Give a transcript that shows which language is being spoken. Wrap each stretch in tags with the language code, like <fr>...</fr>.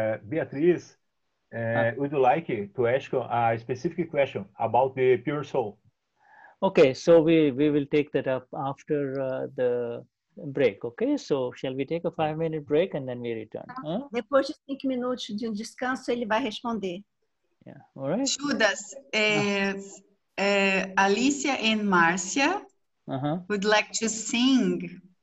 <en>Beatriz, would you like to ask a specific question about the pure soul? Okay, so we will take that up after the break, okay? So shall we take a 5-minute break and then we return?</en> <pt>Depois de 5 minutos de descanso, ele vai responder.</pt> <en>Yeah, all right. Judas, Alicia and Marcia would like to sing.</en>